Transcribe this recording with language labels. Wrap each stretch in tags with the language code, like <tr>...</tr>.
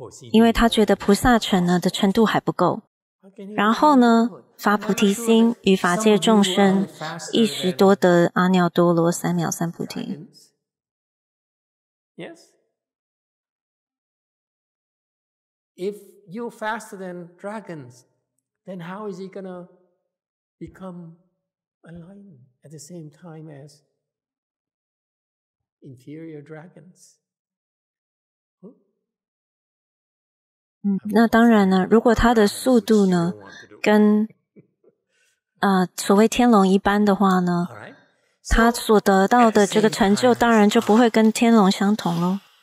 <zh>因为他觉得菩萨乘呢的程度还不够，然后呢发菩提心与法界众生一时多得阿耨多罗三藐三菩提。</zh> <en>Yes. If You're faster than dragons, then how is he gonna become enlightened at the same time as inferior dragons?</en> <zh>那当然了，如果他的速度呢，跟所谓天龙一般的话呢，他所得到的这个成就当然就不会跟天龙相同咯。</zh>